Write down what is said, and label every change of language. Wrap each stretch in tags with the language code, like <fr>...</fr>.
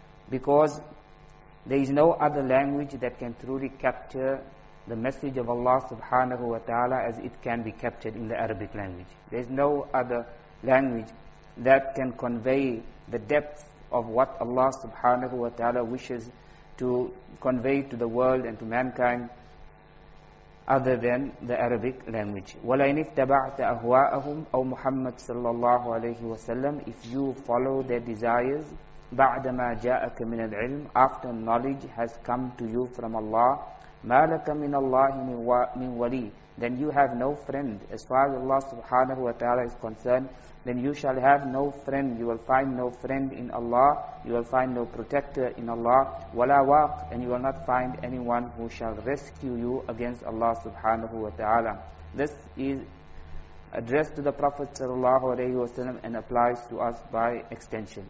<en>Because there is no other language that can truly capture the message of Allah subhanahu wa ta'ala as it can be captured in the Arabic language. There is no other language that can convey the depth of what Allah subhanahu wa ta'ala wishes to convey to the world and to mankind other than the Arabic language.</en> <ar>وَلَيْنِ اتَّبَعْتَ أَهْوَاءَهُمْ أَوْ مُحَمَّدْ صَلَّى اللَّهُ عَلَيْهِ وَسَلَّمْ,</ar> <en>if you follow their desires,</en> <ar>بَعْدَمَا جَاءَكَ مِنَ الْعِلْمِ,</ar> <en>after knowledge has come to you from Allah,</en> <ar>مَا لَكَ مِنَ اللَّهِ مِنْ وَلِي,</ar> <en>then you have no friend. As far as Allah subhanahu wa ta'ala is concerned, then you shall have no friend. You will find no friend in Allah. You will find no protector in Allah.</en> <ar>وَلَا وَاقْ,</ar> <en>and you will not find anyone who shall rescue you against Allah subhanahu wa ta'ala. This is addressed to the Prophet sallallahu alayhi wa sallam and applies to us by extension.</en>